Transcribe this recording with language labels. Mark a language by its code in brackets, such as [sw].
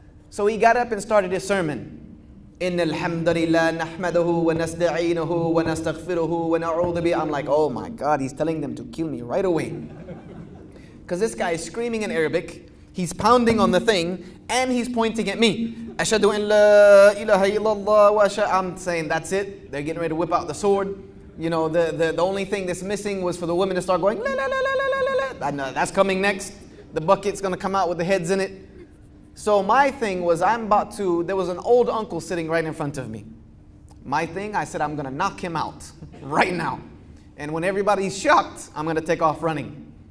[en] So he got up and started his sermon. [ar] إِنَّ الْحَمْدَ لِلَّهِ نَحْمَدَهُ وَنَسْتَعِينَهُ وَنَسْتَغْفِرُهُ وَنَعُوذُ بِهِ [en] I'm like, oh my God, he's telling them to kill me right away. Because this guy is screaming in Arabic. He's pounding on the thing and he's pointing at me. [ar] أَشَدُ إِنْ لَا إِلَهَ إِلَّا اللَّهِ وَأَشَدُ [en] I'm saying, that's it. They're getting ready to whip out the sword. You know, the only thing that's missing was for the women to start going, la, la, la, la, la, la, la, la. I know, that's coming next. The bucket's going to come out with the heads in it. So my thing was, there was an old uncle sitting right in front of me. My thing, I said, I'm going to knock him out right now. And when everybody's shocked, I'm going to take off running.